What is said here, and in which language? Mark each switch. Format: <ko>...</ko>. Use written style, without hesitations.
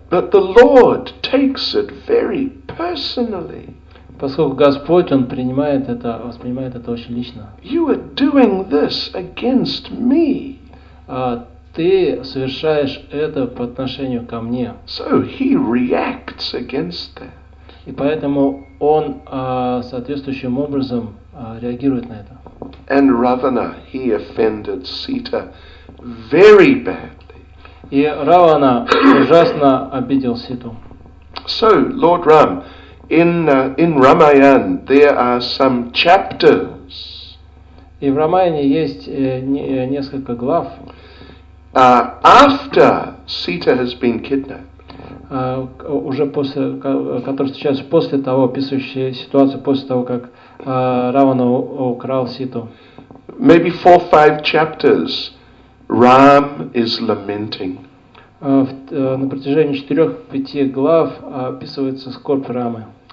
<en>But the Lord takes it very personally.</en> <ru>Поскольку Господь, Он принимает это, воспринимает это очень лично.</ru> <en>You are doing this against me.</en> <ru>Ты совершаешь это по отношению ко мне.</ru> <en>So he reacts against that.</en> <ru>И поэтому он соответствующим образом реагирует на это.</ru> <en>And Ravana, he offended Sita very badly.</en> <ru>И Равана ужасно обидел Ситу.</ru> <en>So, Lord Ram, In Ramayana there are some chapters.</en> <ru>И в Рамаяне есть несколько глав.</ru> <en>After Sita has been kidnapped.</en> <ru>Уже после, который сейчас после того, описывающая ситуацию после того, как Равана украл Ситу.</ru> <en>Maybe 4-5 chapters. Ram is lamenting.</en> <ru>На протяжении 4-5 глав описывается скорбь Рамы.</ru>